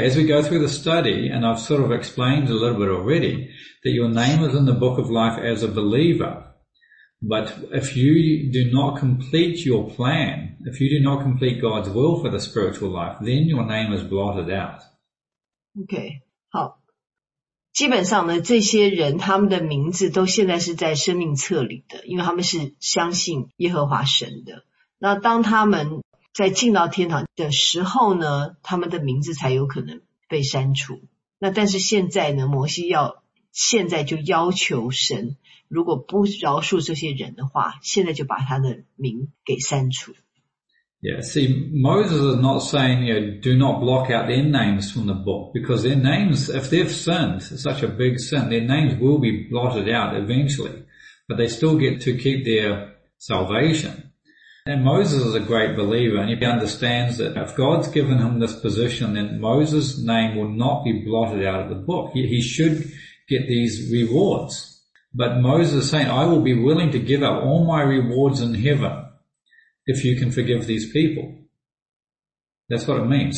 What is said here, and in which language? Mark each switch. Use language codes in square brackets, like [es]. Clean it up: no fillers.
[en] As we go through the study, and I've sort of explained a little bit already, that your name is in the book of life as a believer. But if you do not complete your plan, if you do not complete God's will for the spiritual life, then your name is blotted out. Okay, 好。 [zh] 基本上呢，这些人他们的名字都现在是在生命册里的，因为他们是相信耶和华神的。那当他们在进到天堂的时候呢，他们的名字才有可能被删除。那但是现在呢，摩西要现在就要求神如果不饶恕这些人的话现在就把他的名给删除 [en] Yeah, see, Moses is not saying you know, do not block out their names from the book because their names, if they've sinned such a big sin, their names will be blotted out eventually but they still get to keep their salvation and Moses is a great believer and he understands that if God's given him this position then Moses' name will not be blotted out of the book he should get these rewardsBut Moses is saying, I will be willing to give up all my rewards in heaven if you can forgive these people. That's what it means.